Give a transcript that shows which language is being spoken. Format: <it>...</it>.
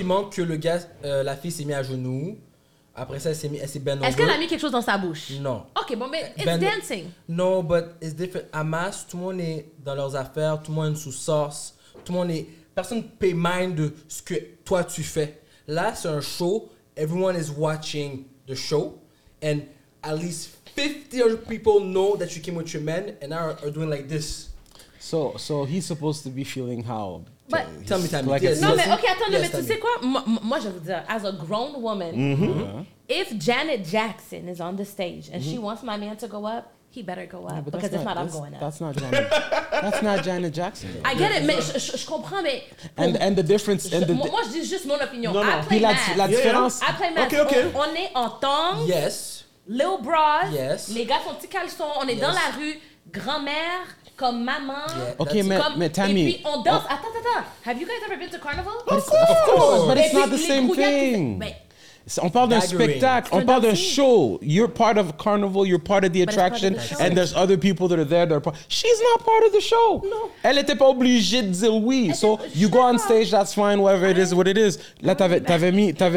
<fr>Que le gars, la fille s'est mise à genoux. Après ça, elle s'est bendée. Est-ce qu'elle a mis quelque chose dans sa bouche? Non. Ok, bon, mais</fr> <en>it's bend dancing. No, but it's different.</en> <fr>Amas, tout le monde est dans leurs affaires, tout le monde est sous sauce, tout le monde est. Personne ne paye mind de ce que toi tu fais. Là, c'est un show.</fr> <en>Everyone is watching the show. And at least 50 other people know that you came with your men and are doing like this. So he's supposed to be feeling how? But tell me, tell me. Like</en> <fr>yes. Non, mais ok, attendez, yes, mais tu sais quoi? Moi, je veux dire,</fr> <en>as a grown woman, if Janet Jackson is on the stage and she wants my man to go up, he better go up, yeah, because if not, I'm going up. That's not Janet. That's not Janet Jackson. I get it,</en> <fr>mais je comprends, mais...</fr> <en>And the difference...</en> <fr>Moi, je dis juste mon opinion.</fr> <en>No, no. I play math.</en> <fr>La différence...</fr> <en>Yeah, yeah. I play math. Okay, okay.</en> <fr>On est en tongs.</fr> <en>Yes. Little bras. Yes.</en> <fr>Les gars font petits caleçons. On est dans la rue. Grand-mère... comme maman.</fr> <en>Yeah, OK,</en> <fr>mais</fr> <en>Tammy.</en> <fr>Et puis, on danse. Oh. Attends.</fr> <en>Have you guys ever been to carnival? Of course. But it's not the same thing.</en> <fr>On parle d'un spectacle, on parle d'un show.</fr> <en>You're part of a carnival, you're part of the attraction, and there's other people that are there. That are part. She's not part of the show. No.</en> <fr>Elle n'était pas obligée de dire oui.</fr> <en>So you go on stage, that's fine, whatever it is, what it is.</en> <fr>Là, t'avais mis.</fr>